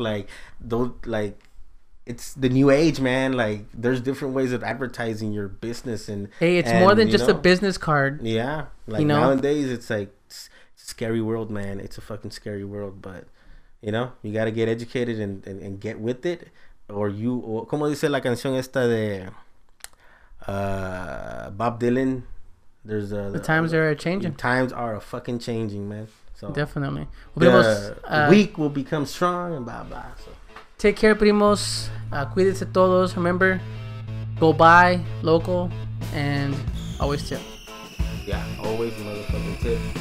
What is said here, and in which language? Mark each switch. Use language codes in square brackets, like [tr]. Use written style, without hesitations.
[en] Like, don't, like, it's the new age, man. Like, there's different ways of advertising your business. And hey, it's and, more than just know, a business card. Yeah. Like, you know, nowadays, it's like, it's a scary world, man. It's a fucking scary world. But, you know, you got to get educated and get with it. Or you, [es] como dice la canción esta de Bob Dylan? [en] There's the times are changing. Times are a fucking changing, man. So definitely. The weak will become strong and blah, blah. So. Take care, [es] primos. Cuídense todos. [en] Remember, go buy local and always tip. Yeah, always motherfucking tip.